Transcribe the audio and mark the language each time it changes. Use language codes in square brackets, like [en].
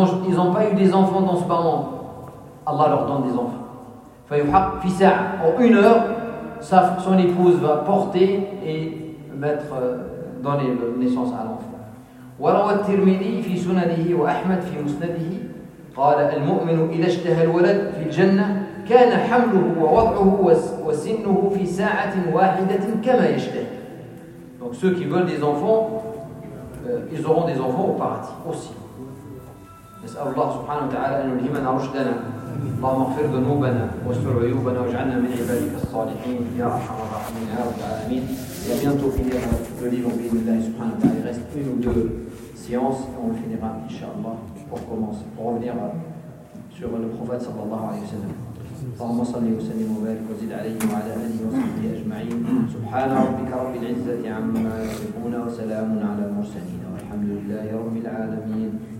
[fr] Ils n'ont pas eu des enfants dans ce moment. Allah leur donne des enfants. En une heure, son épouse va porter et mettre, donner naissance à l'enfant. [ar] وروى الترمذي في سننه وأحمد في مسنده قال المؤمن إذا اشتهى الولد في الجنة كان حمله ووضعه وسنه في ساعة واحدة كما يشتهي. [fr] Donc ceux qui veulent des enfants, ils auront des enfants au paradis aussi. [ar] نسأل الله سبحانه وتعالى أن يلهمنا رشدنا. اللهم اغفر ذنوبنا واستر عيوبنا واجعلنا من عبادك الصالحين يا أرحم الراحمين يا رب العالمين. [fr] Et à bientôt finir le livre en bien de l'Allah [ar] subhanahu wa ta'ala. [fr] Il reste une ou deux séances et on le finira, inshallah, pour commencer, pour revenir sur le prophète [ar] sallallahu alayhi wa sallam. اللهم صل وسلم وبارك وزد عليه وعلى اله وصحبه اجمعين. سبحان ربك رب العزه عما يصفون وسلام على المرسلين والحمد لله رب العالمين.